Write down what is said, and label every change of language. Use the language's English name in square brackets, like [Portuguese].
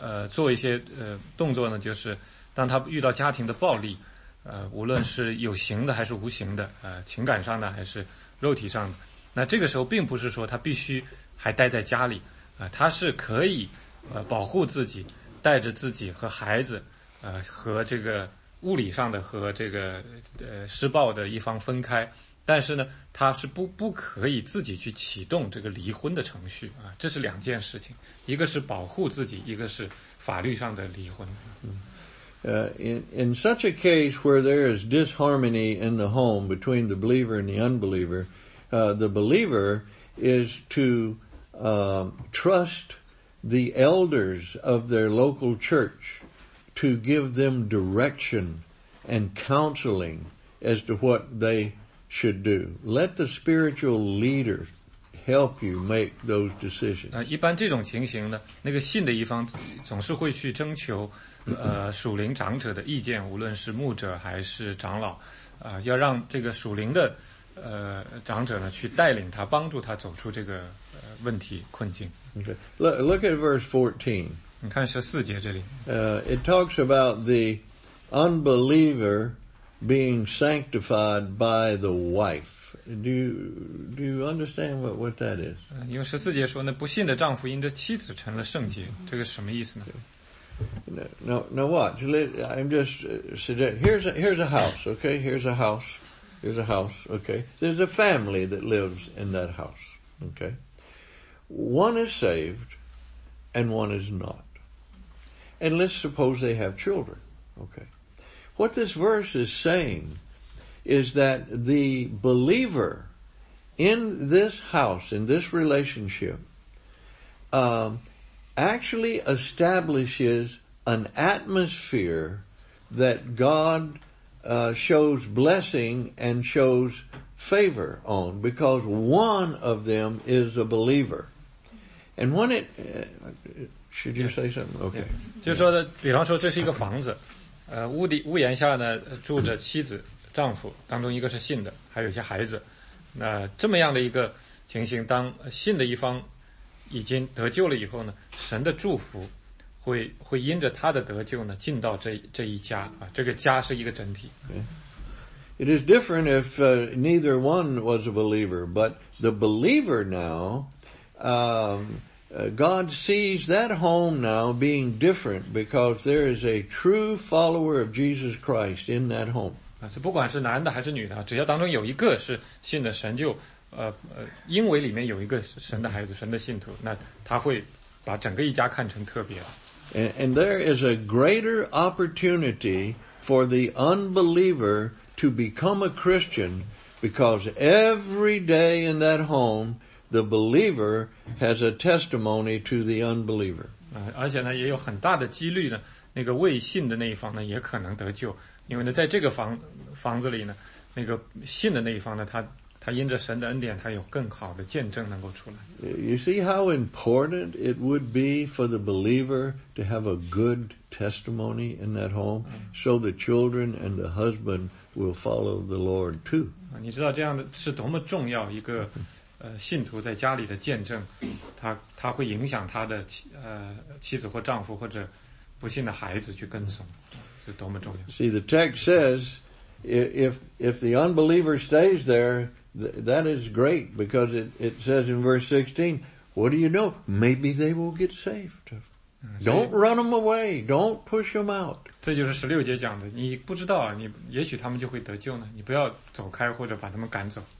[Chinese] 做一些动作呢，就是当她遇到家庭的暴力，无论是有形的还是无形的，情感上的还是肉体上的，那这个时候并不是说她必须还待在家里，她是可以保护自己，带着自己和孩子，和这个物理上的和这个施暴的一方分开，但是呢，她是不可以自己去启动这个离婚的程序啊，这是两件事情，一个是保护自己，一个是法律上的离婚。 [English] In such a case where there is disharmony in the home between the believer and the unbeliever, the believer is to trust the elders of their local church to give them direction and counseling as to what they should do. Let the spiritual leader help you make those decisions. [Chinese] 一般这种情形呢，那个信的一方总是会去征求属灵长者的意见，无论是牧者还是长老，要让这个属灵的长者呢去带领他，帮助他走出这个问题困境。 [English] Okay. Look at verse 14. [Chinese] 你看14节这里。 [English] It talks about the unbeliever being sanctified by the wife. Do you understand what that is? [Chinese] 因为14节说呢，不信的丈夫因着妻子成了圣洁，这个什么意思呢？ [English] Now watch. I'm just suggesting. Here's a house, okay? There's a family that lives in that house, okay? One is saved and one is not. And let's suppose they have children, okay? What this verse is saying is that the believer in this house, in this relationship, actually establishes an atmosphere that God shows blessing and shows favor on because one of them is a believer. And when it... Should you say something? Okay. [Chinese] 就是说的，比方说这是一个房子，屋檐下呢住着妻子、丈夫，当中一个是信的，还有一些孩子。那这么样的一个情形，当信的一方已经得救了以后呢，神的祝福会因着他的得救呢进到这一家啊，这个家是一个整体。 [English] Okay. It is different if neither one was a believer, but the believer now, God sees that home now being different because there is a true follower of Jesus Christ in that home. [Chinese] 不管是男的还是女的，只要当中有一个是信的，神就因为里面有一个神的孩子、神的信徒，那他会把整个一家看成特别的。 [English] And there is a greater opportunity for the unbeliever to become a Christian because every day in that home, the believer has a testimony to the unbeliever. [Chinese] 而且呢，也有很大的几率呢，那个未信的那一方呢，也可能得救，因为呢，在这个房子里呢，那个信的那一方呢，他因着神的恩典，他有更好的见证能够出来。 [English] You see how important it would be for the believer to have a good testimony in that home, so the children and the husband will follow the Lord too. [Chinese] 你知道这样的是多么重要一个信徒在家里的见证，他会影响他的妻子或丈夫或者不信的孩子去跟从，是多么重要。 [English] See the text says, if the unbeliever stays there. That is great because it says in verse 16, what do you know? Maybe they will get saved. Don't run them away. Don't push them out. [Chinese] 这就是16节讲的，你不知道啊，你也许他们就会得救呢，你不要走开或者把他们赶走。